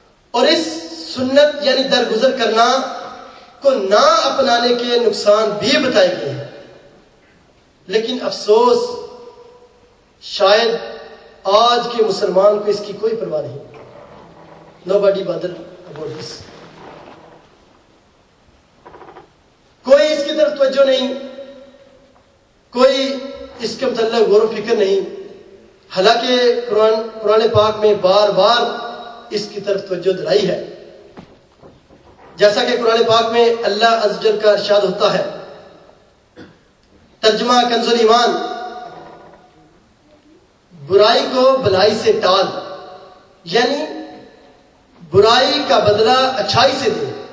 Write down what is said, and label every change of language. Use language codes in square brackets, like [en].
[ur] اور اس سنت یعنی درگزر کرنا کو نہ اپنانے کے نقصان بھی بتائے گئے ہیں، لیکن افسوس شاید آج کے مسلمان کو اس کی کوئی پرواہ نہیں. [en] Nobody bother about this. [ur] کوئی اس کی طرف توجہ نہیں، کوئی اس کے متعلق غور و فکر نہیں، حالانکہ قرآن پاک میں بار بار اس کی طرف توجہ دلائی ہے. جیسا کہ قرآن پاک میں اللہ عزوجل کا ارشاد ہوتا ہے، ترجمہ کنز الایمان، برائی کو بھلائی سے ٹال، یعنی برائی کا بدلہ اچھائی سے دے.